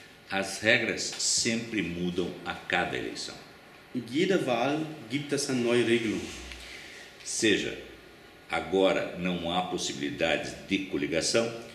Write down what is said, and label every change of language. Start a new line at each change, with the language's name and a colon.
Portuguese: As regras sempre mudam a cada eleição.
German: In jeder Wahl gibt es eine neue Regelung.
Portuguese: Seja, agora não há possibilidades de coligação.